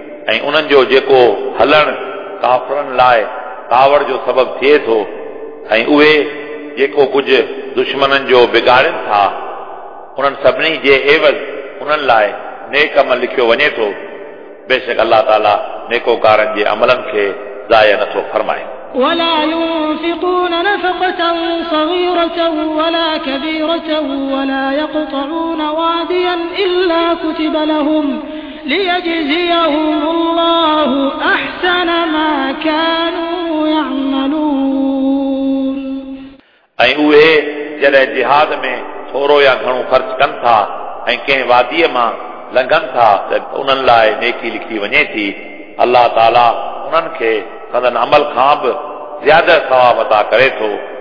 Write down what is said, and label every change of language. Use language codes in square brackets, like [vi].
[sd] ऐं उन्हनि जो जेको हलणु काफ़रनि लाइ कावड़ जो सबबु थिए थो, ऐं उहे जेको कुझु दुश्मननि जो बिगाड़नि था उन्हनि सभिनी जे एवज़ उन्हनि लाइ नेक अमल लिखियो वञे थो, बेशक अल्ला ताला नेकोकारनि जे अमलनि खे ज़ाया नथो फरमाए। [ar] ولا ينفقون نفقة صغيرة ولا كبيرة ولا يقطعون واديا إلا كتب لهم ليجزيهم الله أحسن ما كانوا يعملون [sd] اي اوه جڏ جهاد ۾ ٿورو يا گھڻو خرچ ڪن ٿا ۽ ڪنهن واديءَ مان لنگن ٿا ته انن لاءِ نيڪي لکھي وڃي ٿي الله تعالى انن کي سندن عمل کان به [ur] زیادہ ثواب عطا کرے تو